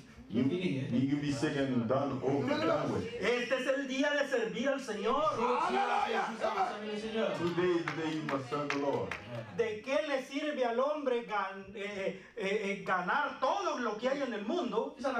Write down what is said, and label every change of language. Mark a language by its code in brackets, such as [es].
[en] You be sick and done over and done with. [es] Este es el día de servir al Señor. [en] Today is the day you must serve the Lord. [es] ¿De qué le sirve al hombre ganar todo lo que hay en el mundo?